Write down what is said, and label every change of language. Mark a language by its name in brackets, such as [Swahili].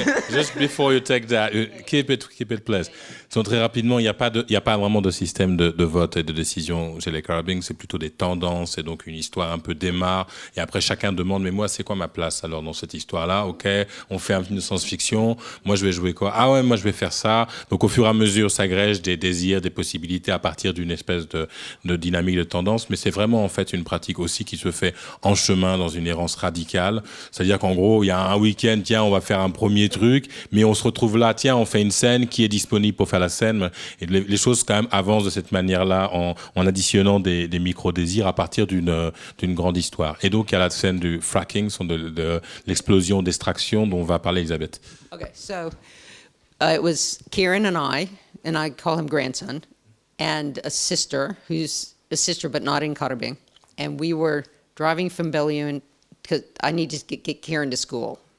[English] Juste before you take that, keep it, please. [French] Donc très rapidement, il y a pas vraiment de système de vote et de décision chez les Carabins. C'est plutôt des tendances et donc une histoire un peu démarre. Et après, chacun demande, mais moi, c'est quoi ma place alors dans cette histoire-là? Ok, on fait un film de science-fiction. Moi, je vais jouer quoi? Ah ouais, moi, je vais faire ça. Donc au fur et à mesure, s'agrège des désirs, des possibilités à partir d'une espèce de dynamique de tendance. Mais c'est vraiment en fait une pratique aussi qui se fait en chemin dans une errance radicale. C'est-à-dire qu'en gros, il y a un week-end. Tiens, on va faire un premier truc, mais on se retrouve là, tiens, on fait une scène, qui est disponible pour faire la scène? Et les choses quand même avancent de cette manière-là en additionnant des micro-désirs à partir d'une grande histoire. Et donc, il y a la scène du fracking, de l'explosion d'extraction dont va parler Elisabeth. [English] Ok, so, it was Kieran and I call him grandson, and a sister, who's a sister but not in Karabing, and we were driving from Beluun, because I need to get Kieran to school.